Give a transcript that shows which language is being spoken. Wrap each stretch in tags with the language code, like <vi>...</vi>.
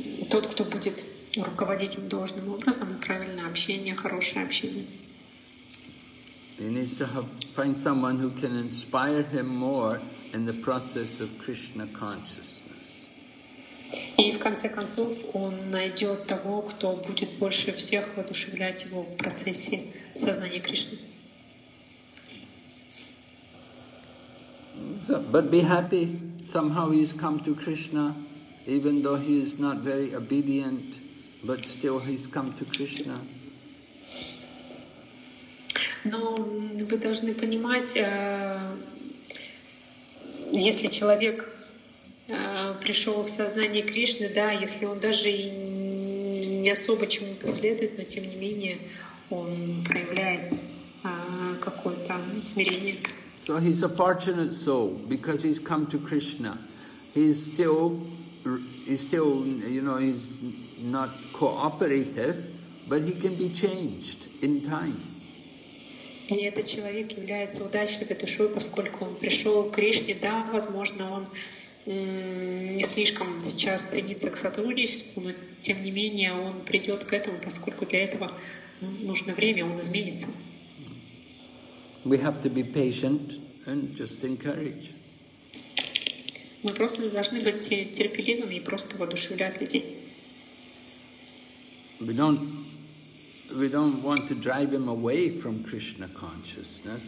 <ru>Тот, кто будет руководить им должным образом, правильное общение, хорошее общение.</ru> <en>He needs to find someone who can inspire him more in the process of Krishna consciousness.</en> <ru>И в конце концов он найдет того, кто будет больше всех воодушевлять его в процессе сознания Кришны.</ru> <en>So, but be happy, somehow he's come to Krishna. Even though he is not very obedient, but still he's come to Krishna.</en> <ru>Но вы должны понимать, если человек пришел в сознание Кришны, да, если он даже и не особо чему-то следует, но тем не менее он проявляет какое-то смирение.</ru> <en>So he's a fortunate soul because he's come to Krishna. he's still, you know, he's not cooperative, but he can be changed in time.</en> <ru>И этот человек является удачливой душой, поскольку он пришел к Кришне, да, возможно, он не слишком сейчас стремится к сотрудничеству, но тем не менее он придет к этому, поскольку для этого нужно время, он изменится.</ru> <en>We have to be patient and just encourage.</en> <ru>Мы просто должны быть терпеливыми и просто воодушевлять людей.</ru> <en>We don't want to drive him away from Krishna consciousness.</en>